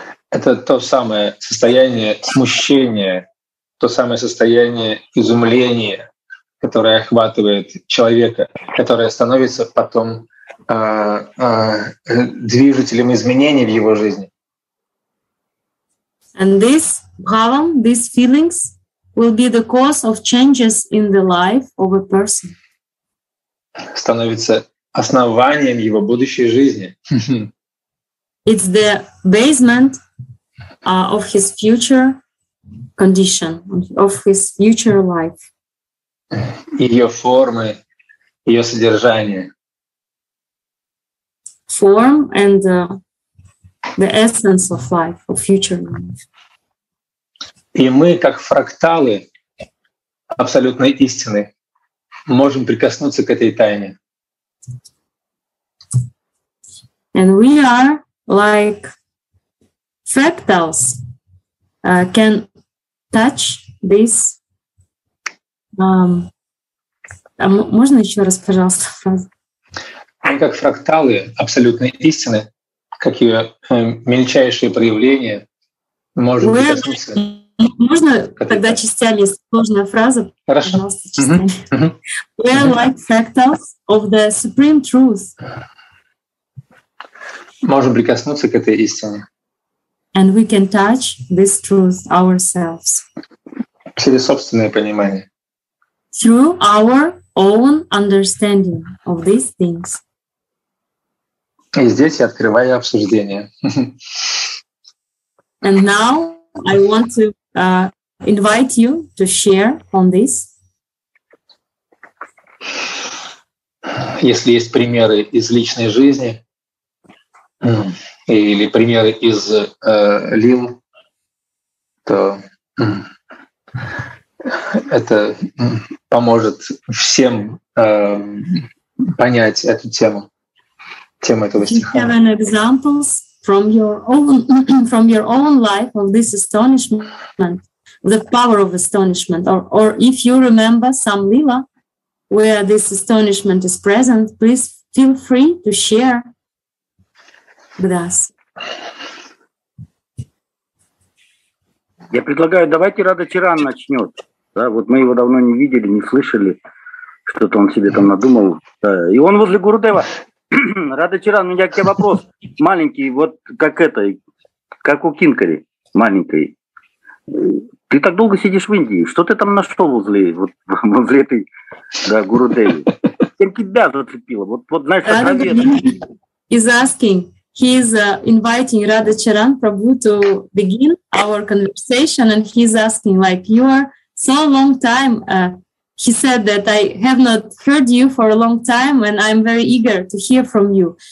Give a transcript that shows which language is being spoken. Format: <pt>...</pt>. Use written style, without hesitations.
<ru>Это то самое состояние смущения, то самое состояние изумления, которое охватывает человека, которое становится потом движителем изменений в его жизни.</ru> <en>And this bhava, these feelings, will be the cause of changes in the life of a person.</en> <ru>Становится основанием его будущей жизни.</ru> <en>It's the basement of his future condition, of his future life.</en> <ru>Ее формы, ее содержание.</ru> <en>Form and the essence of life, of future life.</en> <ru>И мы, как фракталы абсолютной истины, можем прикоснуться к этой тайне.</ru> <en>And we are like fractals, can touch this.</en> <ru>Можно еще раз, пожалуйста, фразу? Мы как фракталы абсолютной истины, как ее мельчайшие проявления, можем прикоснуться. Можно тогда частями, сложная фраза? Хорошо. Пожалуйста, частями.</ru> <en>We are like fractals of the supreme truth.</en> <ru>Можем прикоснуться к этой истине.</ru> <en>And we can touch this truth ourselves.</en> <ru>Через собственное понимание.</ru> <en>Through our own understanding of these things.</en> <ru>И здесь я открываю обсуждение.</ru> <en>And now I want to invite you to share on this.</en> <ru>Если есть примеры из личной жизни, или примеры из лил, то это поможет всем понять эту тему, тему этого стиха.</ru> <en>Do you have any examples from your own life of this astonishment, the power of astonishment, or if you remember some lila where this astonishment is present, please feel free to share with us.</en> <ru>Я предлагаю, давайте Радхачаран начнет. Да, вот мы его давно не видели, не слышали, что-то он себе там надумал. Да, и он возле Гурудева. Радхачаран, у меня к тебе вопрос маленький, вот как это, как у Кинкари маленькой. Ты так долго сидишь в Индии, что ты там нашел возле, вот, возле этой, да, Гурудеви? Чем тебя зацепило? Вот знаешь, как Радхачаран.</ru> <en>He's asking, he's inviting Радхачаран Прабху to begin our conversation, and he's asking, like, you are so long time, he said that I have not heard you for a long time, and I'm very eager to hear from you.</en>